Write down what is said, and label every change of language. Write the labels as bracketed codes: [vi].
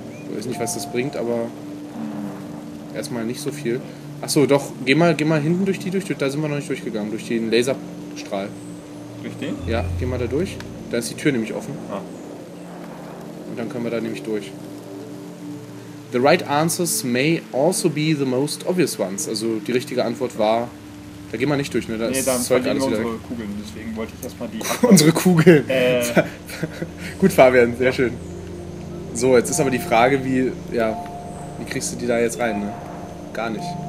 [de] Ich weiß nicht, was das bringt, aber erstmal nicht so viel. Achso, doch, geh mal hinten durch die durch, da sind wir noch nicht durchgegangen, durch den Laserstrahl. Durch den? Ja, geh mal da durch, da ist die Tür nämlich offen. Ah. Und dann können wir da nämlich durch. [en] The right answers may also be the most obvious ones. [de] Also die richtige Antwort war, da geh mal nicht durch, ne? Da nee, dann verlieren wir unsere Kugeln, deswegen wollte ich erstmal die... unsere Kugeln! Gut, Fabian, sehr schön. So, jetzt ist aber die Frage, wie kriegst du die da jetzt rein, ne? Gar nicht.